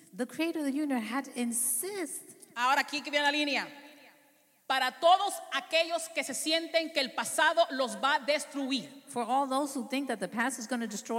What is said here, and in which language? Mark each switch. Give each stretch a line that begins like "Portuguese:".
English: The creator of the universe had to insist.
Spanish: Ahora aquí que viene la línea. Para todos aquellos que se sienten que el pasado los va a destruir.
English: For all those who think that the past is going to destroy